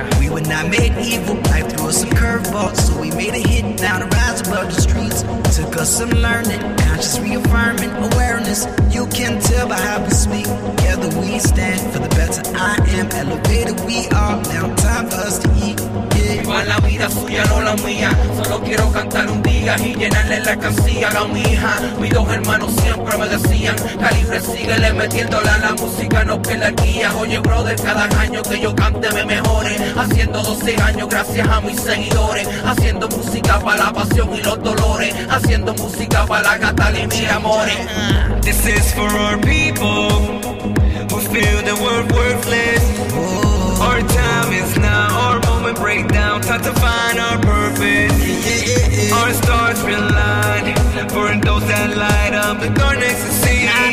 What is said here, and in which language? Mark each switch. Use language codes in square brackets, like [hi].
[en] We were not made evil, life threw us some curveballs, so we made a hit, now to rise above the streets. Took us some learning, conscious reaffirming awareness. You can tell by how we speak. Together we stand for the better I am. Elevated we are, now time for us to eat. Yeah. [es] lleva la vida suya, no la mía. Solo quiero cantar un día y llenarle la alcancía a mi hija. Mis dos hermanos siempre me decían, Calibre, síguele metiéndola a la música, no que la guía. Oye, brother, cada año que yo cante me mejore. Haciendo 12 años gracias a mis seguidores. Haciendo música para la pasión y los dolores. Haciendo música para la gata y mi amor. [en] This is for our people who feel the world worthless. Our time is now, our moment breakdown, time to find our purpose. Our stars realign, for those that light up the darkness and see.